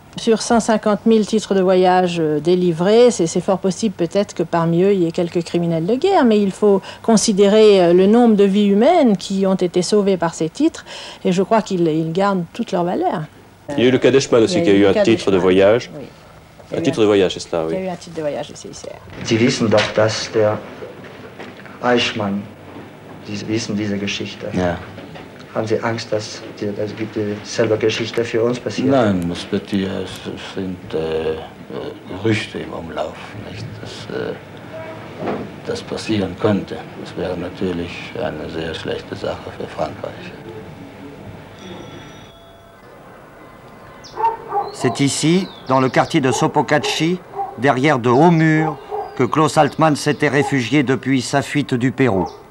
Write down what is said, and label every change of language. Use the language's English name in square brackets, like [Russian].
[French] Sur 150 000 titres de voyage délivrés, c'est fort possible peut-être que parmi eux, il y ait quelques criminels de guerre, mais il faut considérer le nombre de vies humaines qui ont été sauvées par ces titres, et je crois qu'ils gardent toute leur valeur. Il y a eu le cas d'Eschmann aussi, qui a eu un titre de voyage. Oui. Un titre de voyage, c'est cela, oui. Il y a eu un titre de voyage, c'est ici. [German] Sie wissen doch, dass der Eichmann, Sie wissen diese Geschichte. Ja. Haben Sie Angst, dass die selbe Geschichte für uns passiert? Nein, es wird hier, es sind Gerüchte im Umlauf, nicht? Dass das passieren könnte. Das wäre natürlich eine sehr schlechte Sache für Frankreich. [French] C'est ici, dans le quartier de Sopokatchi, derrière de hauts murs, que Klaus Altmann s'était réfugié depuis sa fuite du Pérou.